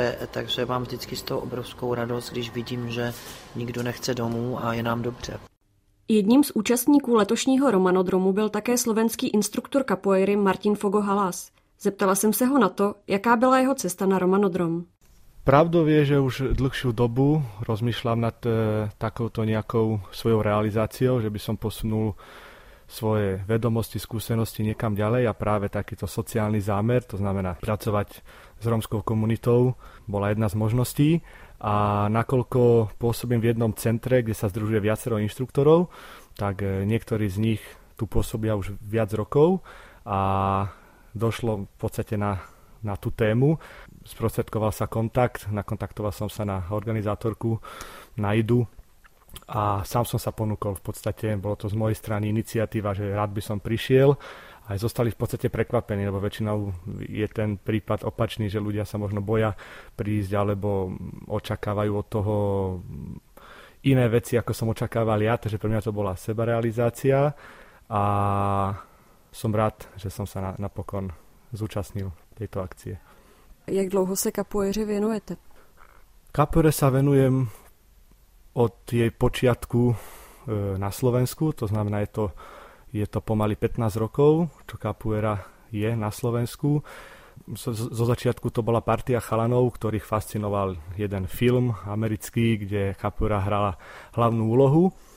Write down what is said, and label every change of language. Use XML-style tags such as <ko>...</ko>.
<cs>Takže mám vždycky z toho obrovskou radost, když vidím, že nikdo nechce domů a je nám dobře. Jedním z účastníků letošního Romanodromu byl také slovenský instruktor capoeiry Martin Fogo-Halas. Zeptala jsem se ho na to, jaká byla jeho cesta na Romanodrom.</cs> <sk>Pravdou je, že už dlhšiu dobu rozmýšľam nad takouto nejakou svojou realizáciou, že by som posunul svoje vedomosti, skúsenosti niekam ďalej a práve takýto sociálny zámer, to znamená pracovať s romskou komunitou, bola jedna z možností. A nakoľko pôsobím v jednom centre, kde sa združuje viacero inštruktorov, tak niektorí z nich tu pôsobia už viac rokov a došlo v podstate na tú tému. Sprostredkoval sa kontakt, nakontaktoval som sa na organizátorku, na IDU a sám som sa ponúkol, v podstate bolo to z mojej strany iniciatíva, že rád by som prišiel. Aj zostali v podstate prekvapení, lebo väčšinou je ten prípad opačný, že ľudia sa možno boja prísť alebo očakávajú od toho iné veci, ako som očakával ja, takže pre mňa to bola sebarealizácia a som rád, že som sa napokon zúčastnil tejto akcie.</sk> <cs>Jak dlouho sa capoeire venujete?</cs> <sk>Capoeire sa venujem od jej počiatku na Slovensku, to znamená, je to pomaly 15 rokov, čo capoeira je na Slovensku. Zo začiatku to bola partia chalanov, ktorých fascinoval jeden film americký, kde capoeira hrala hlavnú úlohu.</sk>